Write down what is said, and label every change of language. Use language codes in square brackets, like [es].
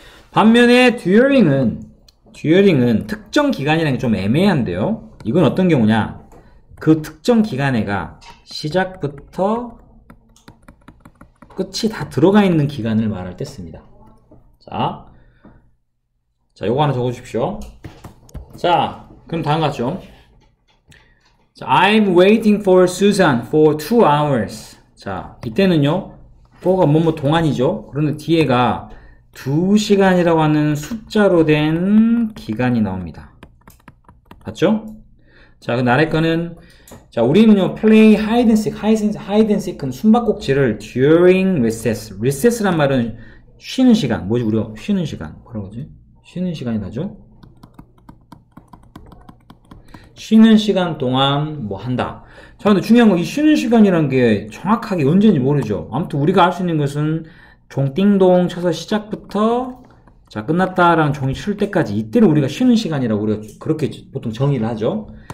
[ko] 반면에 during은 특정 기간이라는 게좀 애매한데요. 이건 어떤 경우냐? 그 특정 기간에가 시작부터 끝이 다 들어가 있는 기간을 말할 때 씁니다. 자, 요거 하나 적어주십시오. 자, 그럼 다음 가죠. [en] 자, I'm waiting for Susan for 2 hours. [ko] 자, 이때는요, for가 뭐뭐 동안이죠. 그런데 뒤에가 2시간이라고 하는 숫자로 된 기간이 나옵니다. 맞죠? 자, 그 나래 거는, 자, 우리는요, [en] play hide and seek, hide and seek은 [ko] 숨바꼭질을 [en] during recess. [ko] recess란 말은 쉬는 시간, 뭐지, 우리가? 쉬는 시간. 뭐라고 하지? 쉬는 시간이 나죠? 쉬는 시간 동안 뭐 한다. 자, 근데 중요한 건이 쉬는 시간이란 게 정확하게 언제인지 모르죠. 아무튼 우리가 알수 있는 것은 종 띵동 쳐서 시작부터 자, 끝났다라는 종이 칠 때까지 이때를 우리가 쉬는 시간이라고 우리가 그렇게 보통 정의를 하죠.